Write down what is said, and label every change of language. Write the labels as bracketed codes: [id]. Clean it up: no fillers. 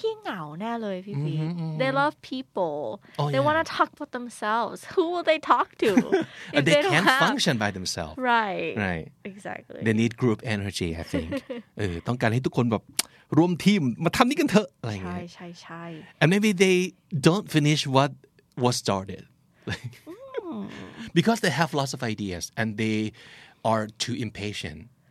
[th] พี่เหงาแน่เลยพี่พี่ [en] they love people oh, they yeah. want to talk about themselves who will they talk to if they can't have... function by themselves right exactly they need group energy I think [th] ต้องการให้ทุกคนแบบรวมทีมมาทำนี้กันเถอะอะไรเงี้ ย ใช่ใช่ [en] and maybe they don't finish what was started because they have lots of ideas and they are too impatient